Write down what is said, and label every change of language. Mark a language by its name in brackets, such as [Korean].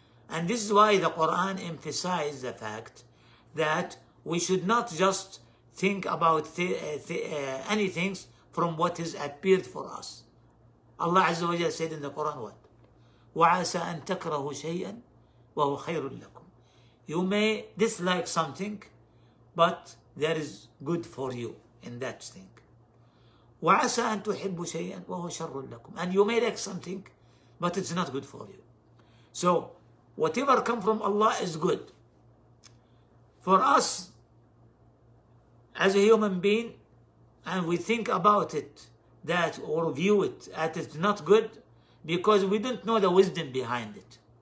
[English] And this is why the Quran emphasized the fact that we should not just think about any things from what has appeared for us. Allah Azza wa Jalla said in the Quran, what? [Arabic] وَعَسَىٰ أَن تَكْرَهُ شَيْئًا وَهُ خَيْرٌ لَكُمْ. [English] You may dislike something, but there is good for you in that thing. [Arabic] وعسى أن تحب شيئا وهو شر لكم. [English] And you may like something, but it's not good for you. So whatever comes from Allah is good. For us, as a human being, and we think about it, that or view it, that it's not good, because we don't know the wisdom behind it.